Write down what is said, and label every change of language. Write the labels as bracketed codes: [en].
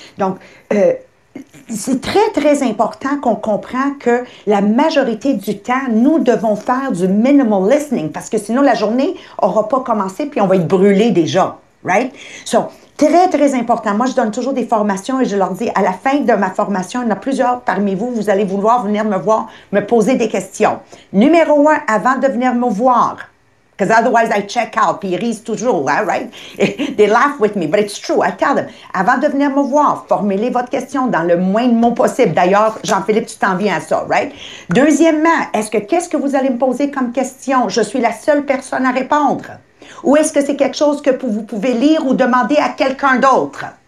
[fr] Donc, c'est très, très important qu'on comprenne que la majorité du temps, nous devons faire du minimal listening parce que sinon, la journée n'aura pas commencé puis on va être brûlé déjà, right? So, très, très important. Moi, je donne toujours des formations et je leur dis, à la fin de ma formation, il y en a plusieurs parmi vous, vous allez vouloir venir me voir, me poser des questions. Numéro un, avant de venir me voir, because otherwise I check out, puis ils risent toujours, hein, right? [en] They laugh with me, but it's true, I tell them. [fr] Avant de venir me voir, formulez votre question dans le moins de mots possible. D'ailleurs, Jean-Philippe, tu t'en viens à ça, right? Deuxièmement, qu'est-ce que vous allez me poser comme question? Je suis la seule personne à répondre. Ou est-ce que c'est quelque chose que vous pouvez lire ou demander à quelqu'un d'autre?